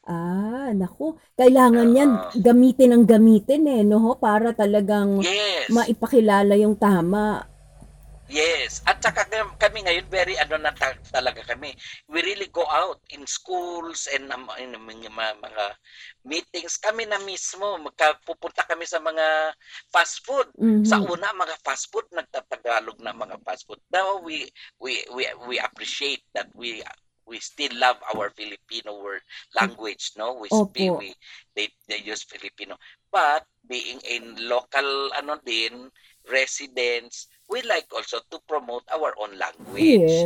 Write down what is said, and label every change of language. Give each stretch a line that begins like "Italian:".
Filipino: Ah, naku. Kailangan yan gamitin ang gamitin eh, no? Para talagang maipakilala yung tama. Yes. At saka kami ngayon, very talaga kami.
English: We really go out in schools and in mga meetings.
Filipino: Kami na mismo, pupunta kami sa mga fast food. Mm-hmm. Sa una, mga fast food, nagtatagalog na mga fast food.
English: Now, we appreciate that we still love our Filipino word language, no? We speak, they use Filipino. But being in local, residents, we like also to promote our own language.